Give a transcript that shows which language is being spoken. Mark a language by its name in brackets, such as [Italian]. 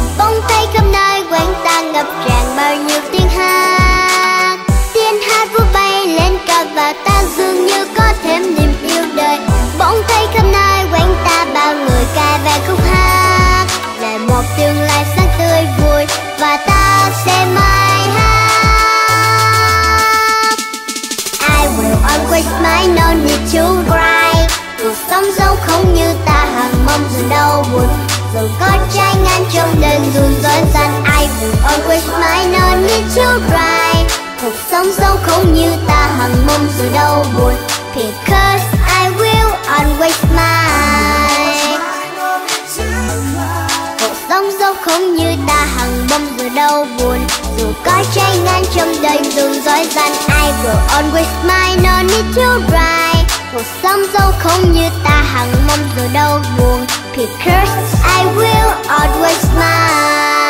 [Vietnamese] Bỗng thấy hôm nay quán ta ngập tràn bao nhiêu tiếng hát, tiếng hát vừa bay lên cao và ta dường như có thêm niềm yêu đời. Bỗng thấy hôm nay quán ta bao người ca về khúc hát là một tương lai sáng tươi vui và ta sẽ mãi hát. [English] I will always smile, no need to cry. [Vietnamese] Cuộc sống dẫu không như ta hằng mong dù đau buồn, dù có trái ngang trong đời dù dối gian. [English] I will always smile, no need to cry. [Vietnamese] Cuộc sống dẫu không như ta hằng mong dù đau buồn, [English] because I will always smile. [Vietnamese] Cuộc sống dẫu không như ta hằng mong dù đau buồn, dù có trái ngang trong đời dù dối gian. [English] I will always smile, no need to cry. [Vietnamese] Cuộc sống dẫu không như ta hằng mong dù đau buồn, [English] because I will always smile.